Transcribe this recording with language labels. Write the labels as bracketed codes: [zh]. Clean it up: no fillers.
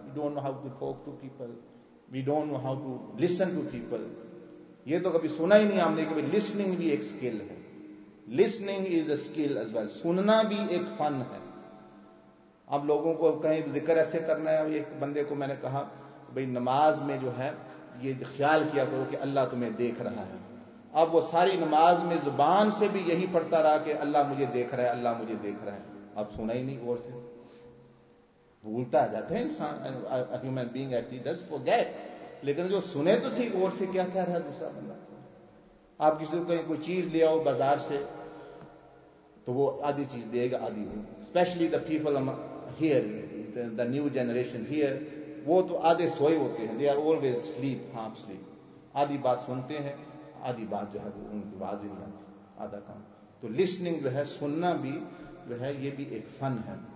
[en] We don't know how to talk to people. We don't know how to listen to people. [ur] یہ تو کبھی سنا ہی نہیں ہم نے کہ listening بھی ایک skill ہے. [en] Listening is a skill as well. [ur] سننا بھی ایک فن ہے. اب لوگوں کو کہیں ذکر ایسے کرنا ہے، ایک بندے کو میں نے کہا بھئی نماز میں جو ہے یہ خیال کیا کرو کہ اللہ تمہیں دیکھ رہا ہے. اب وہ ساری نماز میں زبان سے بھی یہی پڑھتا رہا کہ اللہ مجھے دیکھ رہا ہے، اللہ مجھے دیکھ رہا ہے. اب سنا ہی نہیں غور سے، بھولتا جاتا ہے انسان. [en] Human being yet he does forget. [ur] لیکن جو سنے تو صحیح غور سے کیا کہہ رہا ہے دوسرا بندہ. آپ کسی کو کہیں کوئی چیز لے آؤ بازار سے تو وہ آدھی چیز دے گا آدھی نہیں. [en] especially the people here, the new generation here, [ur] وہ تو آدھے سوئے ہوتے ہیں. [en] They are always sleep, half sleep. [ur] آدھی بات سنتے ہیں، آدھی بات جو ہے ان کی واضح نہیں آتی، آدھا کام. تو لسننگ جو ہے، سننا بھی جو ہے، یہ بھی ایک فن ہے.